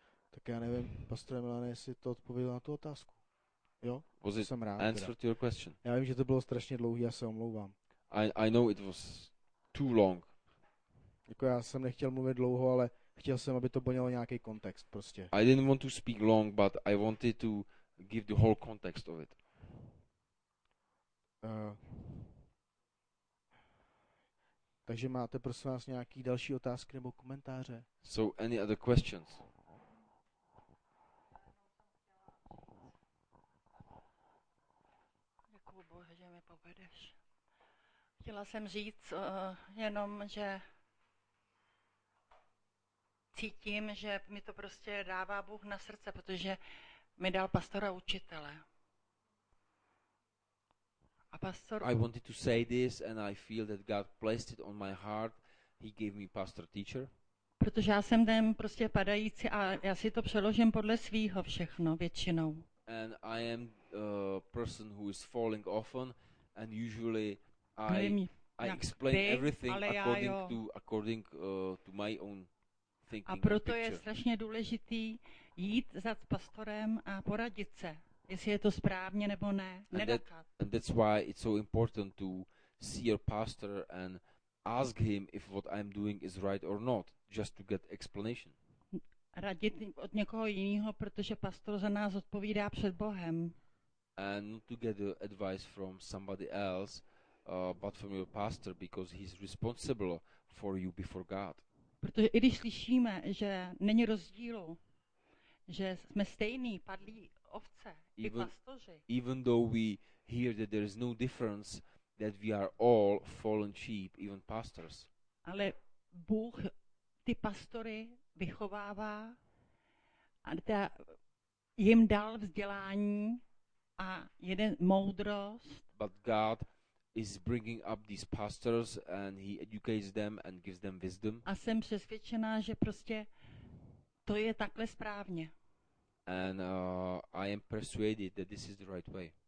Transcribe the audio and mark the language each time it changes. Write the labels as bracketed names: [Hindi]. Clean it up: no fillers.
[Czech] Tak já nevím, pastor Milane, jestli to odpovědělo na tu otázku. Jo? [English] Was it [Czech] jsem rád. [English] Answer to your question. [Czech] Já vím, že to bylo strašně dlouhý, já se omlouvám. [English] I know it was too long. [Czech] Jako já jsem nechtěl mluvit dlouho, ale chtěl jsem, aby to bylo nějaký kontext prostě. [English] I didn't want to speak long, but I wanted to give the whole context of it. [Czech] Takže máte prosím vás nějaký další otázky nebo komentáře? [English] So any other questions? [Czech] Děkuju Bohu, že mi povedeš. Chtěla jsem říct jenom, že cítím, že mi to prostě dává Bůh na srdce, protože mi dal pastora učitele. [English] I wanted to say this and I feel that God placed it on my heart. He gave me pastor teacher. [Czech] Protože já jsem ten prostě padající a já si to přeložím podle svýho všechno většinou. [English] And I am a person who is falling often and usually I explain everything according to my own thinking. [Czech] A proto je strašně důležitý jít za pastorem a poradit se. Jestli je to správně nebo ne. [English] And that's why it's so important to see your pastor and ask him if what I'm doing is right or not, just to get explanation. [Czech] Radit od někoho jiného, protože pastor za nás odpovídá před Bohem. [English] And not to get advice from somebody else, but from your pastor, because he's responsible for you before God. [Czech] Protože i když slyšíme, že není rozdílu, že jsme stejný, padlí ovce, [English] even though we hear that there is no difference, that we are all fallen sheep, even pastors. [Czech] Ale Bůh ty pastory vychovává a jim dal vzdělání a jeden moudrost. [English] But God is bringing up these pastors and he educates them and gives them wisdom. [Czech] A jsem přesvědčená, že prostě to je takhle správně. [English] And I am persuaded that this is the right way.